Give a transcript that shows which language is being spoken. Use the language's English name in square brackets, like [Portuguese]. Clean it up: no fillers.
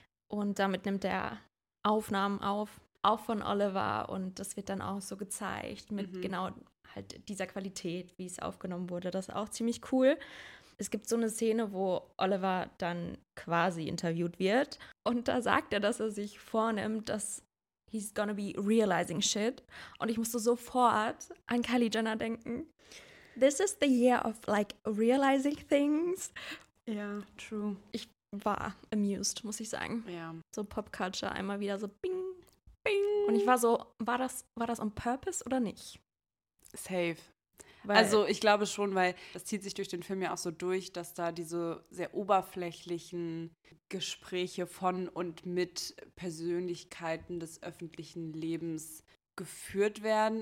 [German] Und damit nimmt er Aufnahmen auf, auch von Oliver und das wird dann auch so gezeigt mit genau halt dieser Qualität, wie es aufgenommen wurde. Das ist auch ziemlich cool. Es gibt so eine Szene, wo Oliver dann quasi interviewt wird und da sagt er, dass er sich vornimmt, dass [English] he's gonna be realizing shit. [German] Und ich musste sofort an Kylie Jenner denken. [English] This is the year of like realizing things. Ja, yeah, true. [German] Ich war amused, muss ich sagen. Ja. Yeah. So Popculture einmal wieder so bing, bing. Und ich war so, war das [English] on purpose [German] oder nicht? Safe. Weil, also ich glaube schon, weil das zieht sich durch den Film ja auch so durch, dass da diese sehr oberflächlichen Gespräche von und mit Persönlichkeiten des öffentlichen Lebens geführt werden.